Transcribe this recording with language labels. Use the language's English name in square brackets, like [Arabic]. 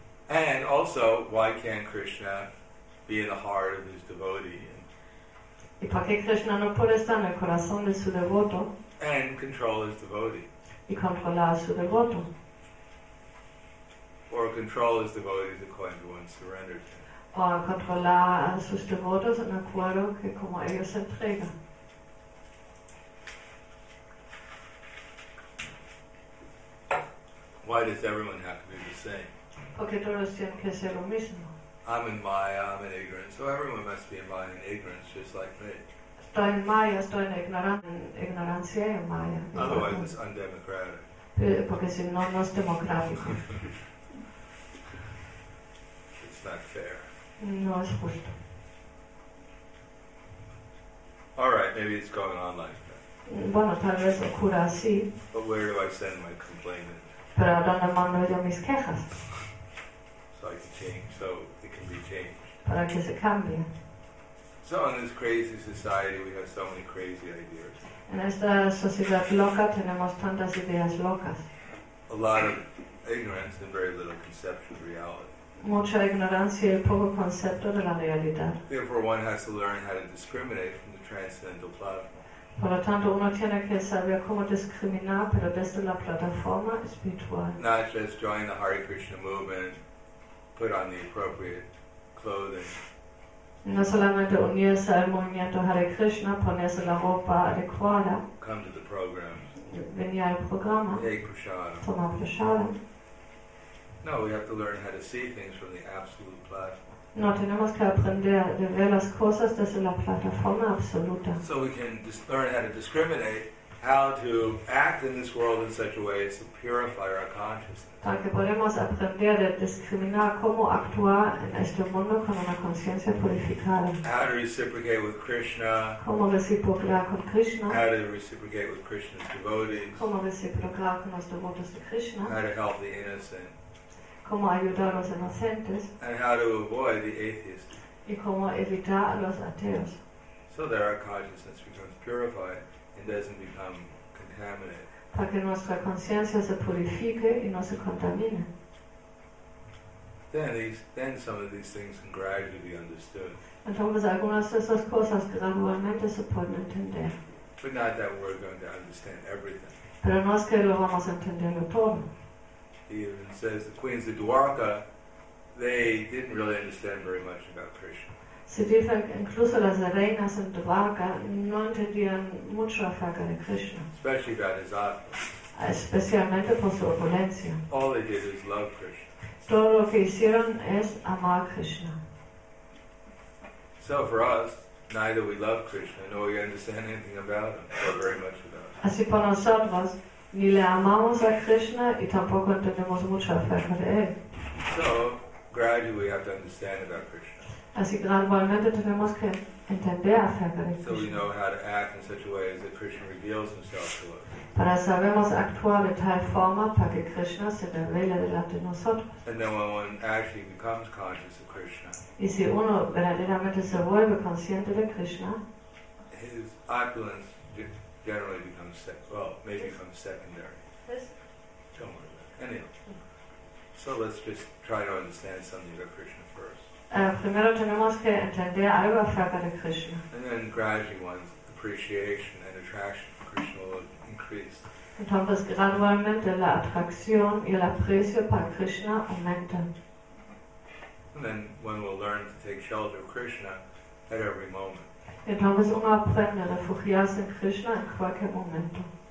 [English] And also, why can't Krishna be in the heart of his devotee? [Spanish] ¿Y por qué Krishna no puede estar en el corazón de su devoto? [English] And control his devotee. [Spanish] Y controlar a su devoto. [English] Or control his devotees according to one's surrender to. [Spanish] O controlar a sus devotos en acuerdo que como ellos se entregan. [English] Why does everyone have to be the same? [Spanish] Porque todos tienen que ser lo mismo. [English] I'm in Maya, I'm in ignorance, so everyone must be in Maya and ignorance just like me. [Spanish] Estoy en Maya, estoy en ignorancia y en Maya. [English] Otherwise it's undemocratic. [Spanish] Porque si no, no es democrático. [English] It's not fair. [Spanish] No es justo. [English] All right, maybe it's going on like that. [Spanish] Bueno, tal vez ocurra así. [English] But where do I send my complaint? [Spanish] Pero ¿a dónde mando yo mis quejas? [English] like to change, so it can be changed. [Spanish] Para que se cambie. [English] So in this crazy society, we have so many crazy ideas. [Spanish] En esta sociedad loca tenemos tantas ideas locas. [English] A lot of ignorance and very little conception of reality. [Spanish] Mucha ignorancia y poco concepto de la realidad. [English] Therefore, one has to learn how to discriminate from the transcendental platform. [Spanish] Por lo tanto, uno tiene que saber cómo discriminar, pero desde la plataforma espiritual. [English] Not just join the Hare Krishna movement, put on the appropriate clothing. [Spanish] No solamente unirse al movimiento Hare Krishna, ponerse la ropa adecuada. [English] Come to the program. [Spanish] Venir al programa. [English] Take prasadam. [Spanish] Toma prasadam. [English] No, we have to learn how to see things from the absolute platform. [Spanish] No, tenemos que aprender de ver las cosas desde la plataforma absoluta. [English] So we can learn how to discriminate, how to act in this world in such a way as to purify our consciousness. [Spanish] Para que podamos aprender de discriminar cómo actuar en este mundo con una conciencia purificada. [English] How to reciprocate with Krishna. [Spanish] Cómo reciprocar con Krishna. [English] How to reciprocate with Krishna's devotees. [Spanish] Cómo reciprocar con los devotos de Krishna. [English] How to help the innocent. [Spanish] Cómo ayudar a los inocentes. [English] And how to avoid the atheists. [Spanish] Y cómo evitar a los ateos. [English] So that our consciousness becomes purified and doesn't become contaminated. [Spanish] Para que nuestra conciencia se purifique y no se contamine. [English] Then some of these things can gradually be understood. [Spanish] Entonces algunas de esas cosas gradualmente se pueden entender. [English] But not that we're going to understand everything. [Spanish] Pero no es que lo vamos a entender todo. [English] He even says the queens of Dwarka, they didn't really understand very much about Krishna. [Spanish] Se dice incluso las reinas en Dwarka no entendían mucho acerca de Krishna. [English] Especially about his opulence. [Spanish] Especialmente por su opulencia. [English] All they did is love Krishna. [Spanish] Todo lo que hicieron es amar Krishna. [English] So for us, neither we love Krishna nor we understand anything about him or very much about him. [Spanish] Así para nosotros. Ni le amamos a Krishna y tampoco entendemos mucho acerca de él. [English] So, gradually we have to understand about Krishna. [Spanish] Así gradualmente tenemos que entender acerca de Krishna. [English] So we know how to act in such a way as that Krishna reveals himself to us. [Spanish] Para sabemos actuar de tal forma para que Krishna se revele delante de nosotros. [English] And then when one actually becomes conscious of Krishna. [Spanish] Y si uno verdaderamente se vuelve consciente de Krishna. [English] His opulence. Generally becomes may become secondary. Don't worry about it. Anyhow. So let's just try to understand something about Krishna first. [Spanish] Primero tenemos que entender algo acerca de Krishna. [English] And then gradually one's appreciation and attraction for Krishna will increase. [Spanish] Entonces gradualmente la atracción y el aprecio para Krishna aumenta. [English] And then one will learn to take shelter of Krishna at every moment. [Spanish] Entonces uno aprende a refugiarse en Krishna en cualquier momento.